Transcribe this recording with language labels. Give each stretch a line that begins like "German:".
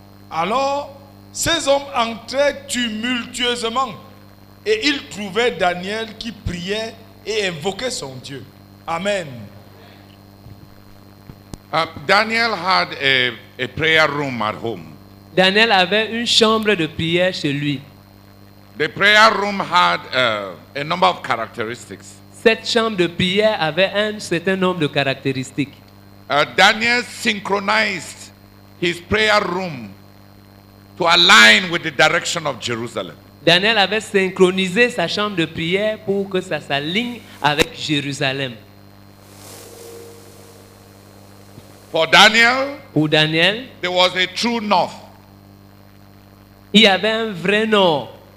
French: Alors, ces hommes entraient tumultueusement et ils trouvaient Daniel qui priait et invoquait son Dieu. Amen.
English: Daniel had a prayer room at home.
French: Daniel avait une chambre de prière chez lui.
English: The prayer room had a number of characteristics.
French: Cette chambre de prière avait un certain nombre de caractéristiques.
English: Daniel synchronized his prayer room to align with the direction of Jerusalem.
French: Daniel avait synchronisé sa chambre de prière pour que ça s'aligne avec Jérusalem. Pour Daniel,
English: there was a true north.
French: Il y avait un vrai nord.